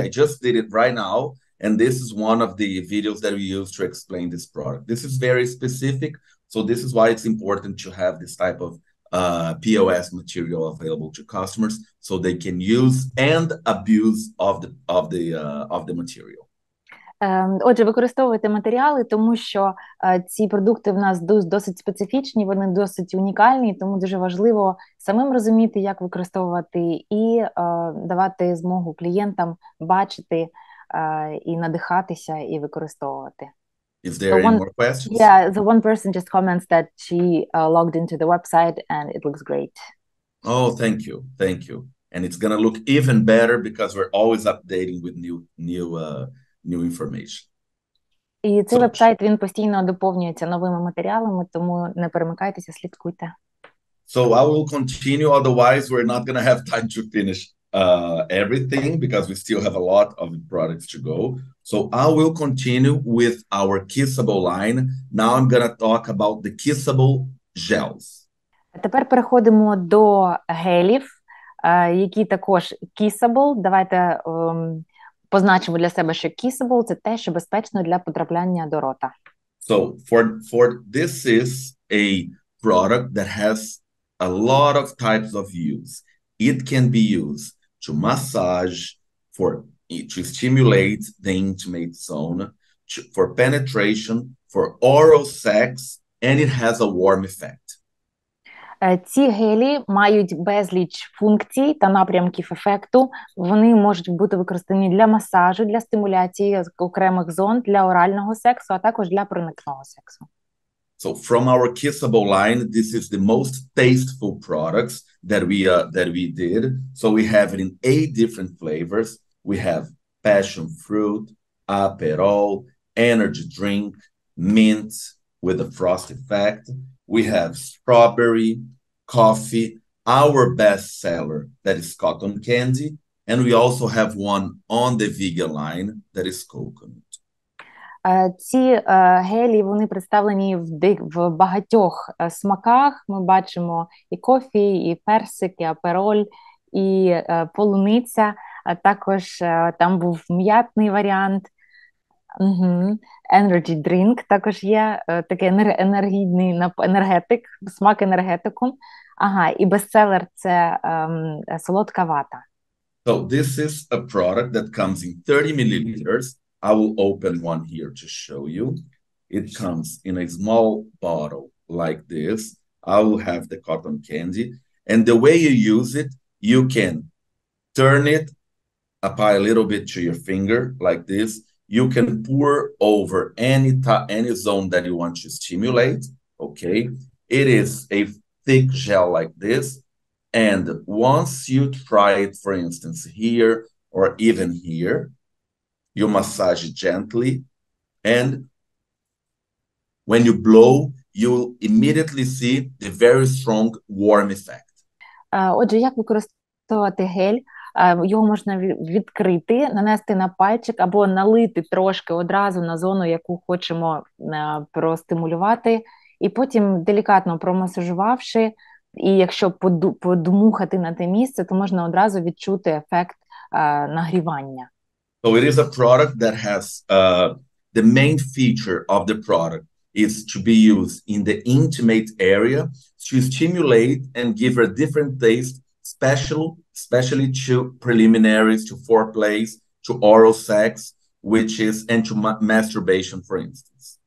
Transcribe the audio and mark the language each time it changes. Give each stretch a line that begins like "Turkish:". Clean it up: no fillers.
English: I just did it right now. And this is one of the videos that we use to explain this product. This is very specific. So this is why it's important to have this type of POS material available to customers so they can use and abuse of the material.
Ukrainian: Отже, використовуйте матеріали, тому що ці продукти в нас досить специфічні, вони досить унікальні, тому дуже важливо самим розуміти, як використовувати і давати змогу клієнтам бачити і надихатися і використовувати.
English: Is there so any more questions? Yeah, so one person just comments that she logged into the website and it looks great. Oh, thank you. Thank you. And it's going to look even better because we're always updating with new information.
Ukrainian: І цей вебсайт, він постійно доповнюється новими матеріалами, тому не перемикайтеся, слідкуйте.
English: So I will continue, otherwise we're not going to have time to finish everything because we still have a lot of products to go. So I will continue with our kissable line. Now I'm going to talk about the kissable gels.
Ukrainian: Тепер переходимо до гелів, які також kissable. Давайте позначимо для себе, що kissable – це те, що безпечно для потрапляння до рота.
English: So, for this is a product that has a lot of types of use. It can be used to massage, to stimulate the intimate zone, for penetration, for oral sex, and it has a warm effect.
Ukrainian: Ці гелі мають безліч функцій та напрямків ефекту. Вони можуть бути використані для масажу, для стимуляції окремих зон, для орального сексу, а також для проникного сексу.
English: So from our kissable line, this is the most tasteful products that we did. So we have it in 8 different flavors. We have passion fruit, Aperol, energy drink, mint with a frost effect. We have strawberry, coffee, our best seller that is cotton candy. And we also have one on the vegan line that is coconut.
Ukrainian: Ці гелі, вони представлені в багатьох смаках. Ми бачимо і кофі, і персик, і апероль, і полуниця. Також там був м'ятний варіант.
English: Energy drink
Ukrainian: також є. Такий енергійний енергетик, смак енергетику. Ага, і бестселер – це солодка вата.
English: So this is a product that comes in 30 milliliters. I will open one here to show you. It comes in a small bottle like this. I will have the cotton candy. And the way you use it, you can turn it, apply a little bit to your finger like this. You can pour over any zone that you want to stimulate. Okay. It is a thick gel like this. And once you try it, for instance, here or even here, you massage it gently, and when you blow, you will immediately see the very strong warm effect.
Ukrainian: Отже, як використовувати гель? Його можна відкрити, нанести на пальчик або налити трошки одразу на зону, яку хочемо простимулювати, і потім делікатно промасажувавши, і якщо подумухати на те місце, то можна одразу відчути ефект нагрівання.
English: So it is a product that has the main feature of the product is to be used in the intimate area to stimulate and give a different taste, especially to preliminaries, to foreplay, to oral sex, which is, and to masturbation, for instance.